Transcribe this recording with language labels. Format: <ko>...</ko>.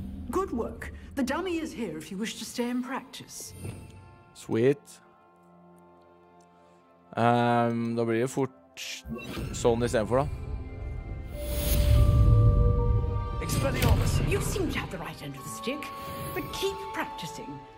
<en>Good work. The dummy is here if you wish to stay in practice. Sweet.</en> <no>Da blir det fort sånn i stedet for, da.</no> <en>Expelliarmus! You seem to have the right end of the stick, but keep practicing.</en>